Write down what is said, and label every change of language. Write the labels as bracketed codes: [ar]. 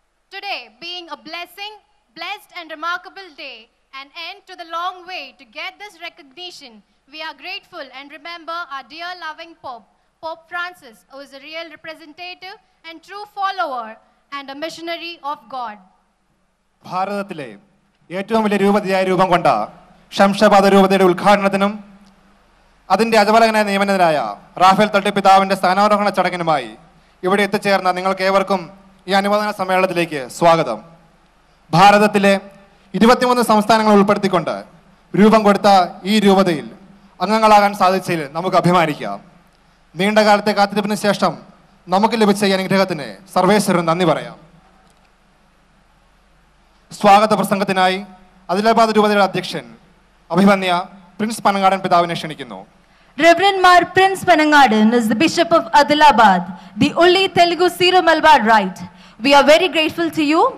[en] Today, being a blessed and remarkable day, an end to the long way to get this recognition, we are grateful and remember our dear loving Pope. Pope Francis, who is a real representative and true follower and a missionary of God. [ml] ഭാരതത്തിലെ ഏറ്റവും വലിയ രൂപതയായ രൂപം കൊണ്ട ഷംഷബാദ രൂപതയുടെ ഉദ്ഘാടനത്തിനും അതിൻ്റെ അജവലകനായ നിയമനായ Rafale തട്ടി പിതാവിൻ്റെ സ്ഥാനാരോഹണ ചടങ്ങിനുമായി ഇവിടെ എത്തിച്ചേർന്ന നിങ്ങൾക്ക് ഏവർക്കും ഈ അനുമോദന സമ്മേളനത്തിലേക്ക് സ്വാഗതം. ഭാരതത്തിലെ 23 സംസ്ഥാനങ്ങൾ ഉൾപ്പെടുത്തിക്കൊണ്ട് രൂപം കൊടുത്ത ഈ രൂപതയിൽ അംഗങ്ങളാകാൻ സാധിച്ചതിൽ നമുക്ക് അഭിമാനിക്കാം. നീണ്ട കാലത്തെ കാത്തിരിപ്പിന് ശേഷം നമുക്ക് ലഭിച്ച ഈ അനുഗ്രഹത്തിന് സർവേശ്വരൻ നന്ദി പറയാം. സ്വാഗത പ്രസംഗത്തിനായി അദിലാബാദ് രൂപതയുടെ അധ്യക്ഷൻ അഭിമന്യ പ്രിൻസ് പനങ്ങാടൻ പിതാവിനെ ക്ഷണിക്കുന്നു. [en] Reverend Mar Prince Panangadan is the Bishop of Adilabad, the only Telugu Syro-Malabar rite. We are very grateful to you.